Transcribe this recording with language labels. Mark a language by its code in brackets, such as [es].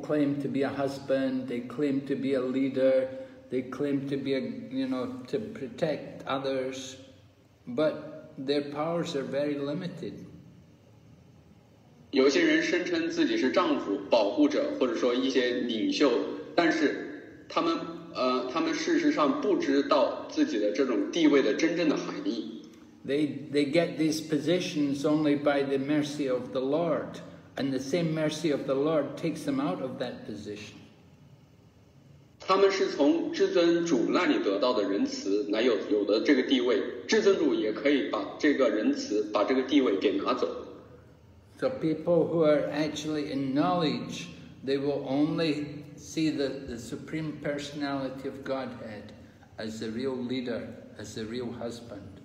[en] claim to be a husband, they claim to be a leader, they claim to be a, you know, to protect others, but their powers are very limited. [zh] 有些人声称自己是丈夫、保护者或者说一些领袖，但是他们 他们事实上不知道自己的这种地位的真正的含义。They [en] get these positions only by the mercy of the Lord, and the same mercy of the Lord takes them out of that position. [zh] 他们是从至尊主那里得到的仁慈来有的这个地位，至尊主也可以把这个仁慈把这个地位给拿走。So [en] people who are actually in knowledge, they will only see the Supreme Personality of Godhead as the real leader, as the real husband.